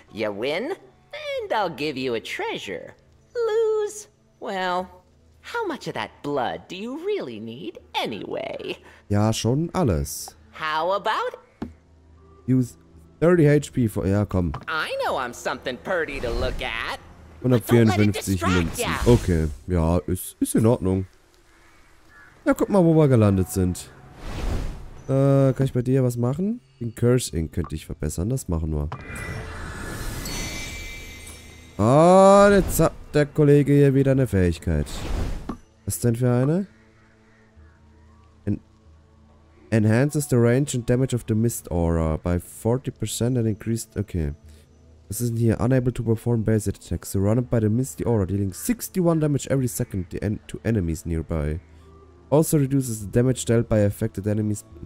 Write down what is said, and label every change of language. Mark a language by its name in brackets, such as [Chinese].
[English] You win, and I'll give you a treasure. Lose? Well, how much of that blood do you really need anyway? [German] Ja, schon alles. [English] How about? Use 30 HP for... [German] Ja, komm. [English] I know I'm something pretty to look at. [German] 154 Münzen. Okay, ja, ist in Ordnung. Ja, guck mal, wo wir gelandet sind. Kann ich bei dir was machen? Den Curse Ink könnte ich verbessern, das machen wir. Oh, jetzt hat der Kollege hier wieder eine Fähigkeit. Was denn für eine? [English] Enhances the range and damage of the Mist Aura by 40% and increased... [German] Okay. Was ist denn hier? [English] Unable to perform basic attacks. Surrounded by the Misty Aura, dealing 61 damage every second to enemies nearby. Also reduces the damage dealt by affected enemies...